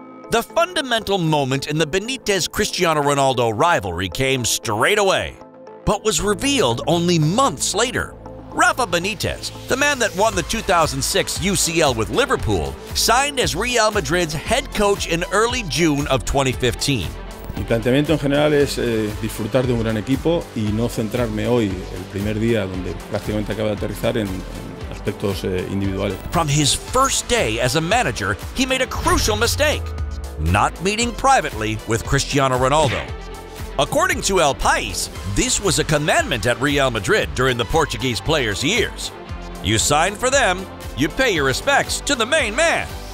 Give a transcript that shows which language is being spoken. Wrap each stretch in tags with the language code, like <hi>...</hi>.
<en>The fundamental moment in the Benitez-Cristiano Ronaldo rivalry came straight away, but was revealed only months later. Rafa Benitez, the man that won the 2006 UCL with Liverpool, signed as Real Madrid's head coach in early June of 2015.</en> <es>Mi planteamiento en general es disfrutar de un gran equipo y no centrarme hoy, el primer día donde prácticamente acabo de aterrizar, en aspectos individuales.</es> <en>From his first day as a manager, he made a crucial mistake, not meeting privately with Cristiano Ronaldo. According to El País, this was a commandment at Real Madrid during the Portuguese player's years. You sign for them, you pay your respects to the main man.</en>